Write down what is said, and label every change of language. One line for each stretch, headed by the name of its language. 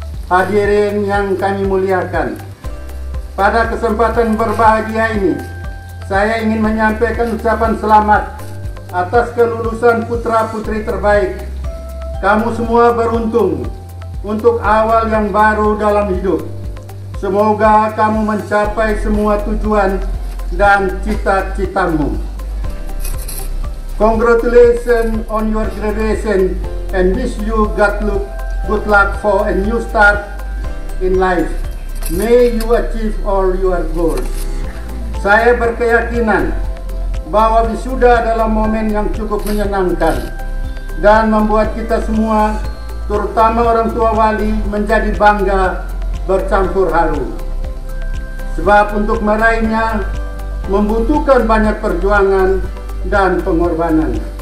Indonesian: Hadirin yang kami muliakan, pada kesempatan berbahagia ini, saya ingin menyampaikan ucapan selamat atas kelulusan putra-putri terbaik. Kamu semua beruntung untuk awal yang baru dalam hidup. Semoga kamu mencapai semua tujuan dan cita-citamu.
English: Congratulations on your graduation and wish you good luck for a new start in life. May you achieve all your goals.
Indonesian: Saya berkeyakinan bahwa wisuda adalah momen yang cukup menyenangkan dan membuat kita semua, terutama orang tua wali, menjadi bangga bercampur haru. Sebab untuk meraihnya membutuhkan banyak perjuangan dan pengorbanan.